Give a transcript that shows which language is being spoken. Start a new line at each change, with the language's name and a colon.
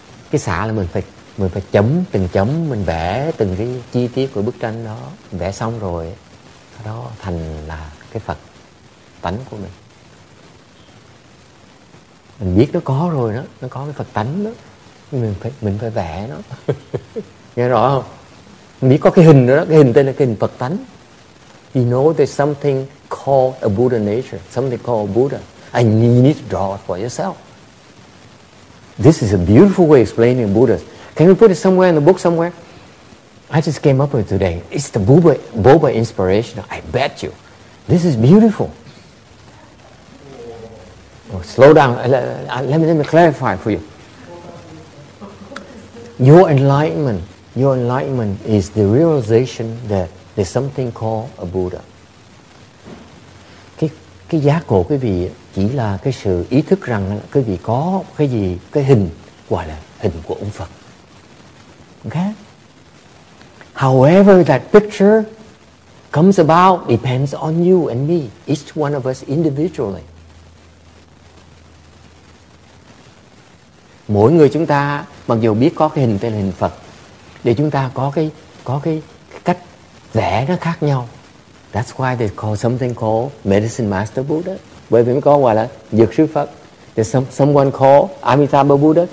Vietnamese: Cái xả là mình phải chấm từng chấm, mình vẽ từng cái chi tiết của bức tranh đó, vẽ xong rồi đó thành là cái Phật tánh của mình. Mình biết nó có rồi đó, nó có cái Phật tánh đó, mình phải vẽ nó. Nghe rõ không? Biết có cái hình đó, cái hình tên là cái hình Phật tánh.
English: You know there's something called a Buddha nature, something called a Buddha, and you need to draw it for yourself. This is a beautiful way of explaining Buddha. Can you put it somewhere in the book somewhere? I just came up with it today. It's the Boba inspiration, I bet you. This is beautiful. Oh, slow down. Let me clarify for you. Your enlightenment is the realization that there's something called a Buddha.
Vietnamese: Cái giác ngộ quý vị chỉ là cái sự ý thức rằng quý vị có cái gì, cái hình gọi là hình của ông Phật.
English: Okay? However that picture comes about depends on you and me, each one of us individually.
Vietnamese: Mỗi người chúng ta mặc dù biết có cái hình tên là hình Phật, để chúng ta có cái cách vẽ nó khác nhau.
English: That's why they call something called Medicine Master Buddha.
Vietnamese: Bởi vì có gọi là Dược Sư Phật.
English: There's someone called Amitabha Buddha.